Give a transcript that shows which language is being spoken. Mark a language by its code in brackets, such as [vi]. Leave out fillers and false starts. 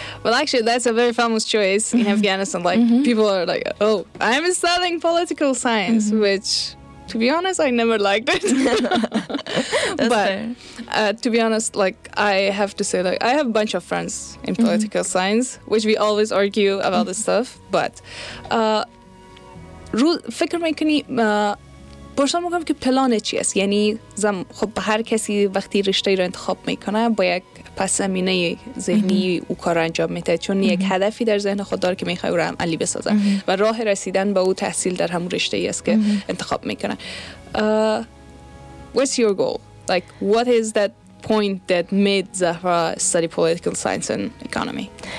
[en] Well, actually, that's a very famous choice in Afghanistan. Like, people are like, oh, I'm studying political science, which, to be honest, I never liked it. To be honest, like, I have to say, like, I have a bunch of friends in political science, which we always argue about this stuff. But, [fa] فکر میکنی... پرسان میکنم که پلان چی است؟ یعنی خب به هر کسی وقتی رشته رو انتخاب میکنه با یک پس زمینه ذهنی او کار انجام میده، چون یک هدفی در ذهن خود داره که میخواه او را عملی بسازه و راه رسیدن به او تحصیل در همون رشته ای است که انتخاب میکنه. [en] What's your goal? Like, what is that point that made Zahra study political science and economy?